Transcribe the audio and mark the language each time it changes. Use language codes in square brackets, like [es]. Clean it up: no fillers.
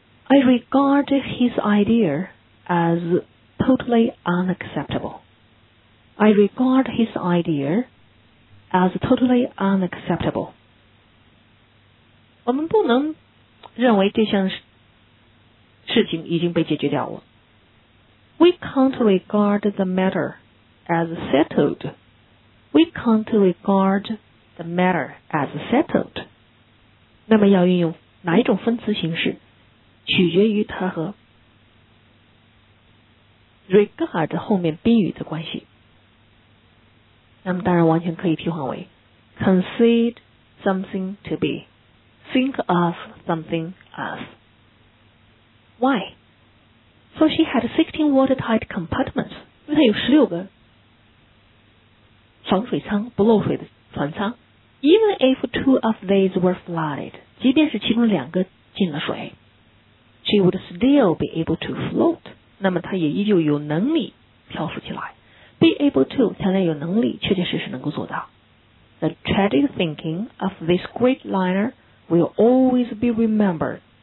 [en] I regard his idea as totally unacceptable. I regard his idea as totally unacceptable. [zh] 我们不能认为这项事情已经被解决掉了。 [en] We can't regard the matter as settled. We can't regard the matter as settled. [zh] 那么要运用哪一种分词形式，取决于它和 regard 后面宾语的关系。那么当然完全可以替换为 [en] concede something to be, think of something as. Why? So she had 16 watertight compartments, [zh] 因为她有16个防水舱，不漏水的船舱。 [en] Even if two of these were flooded, [zh] 即便是其中两个进了水， [en] she would still be able to float. [zh] 那么她也依旧有能力漂浮起来。 [en] Be able to, [zh] 强调有能力，确确实实能够做到。 [en] The tragic thinking of this great liner will always be remembered.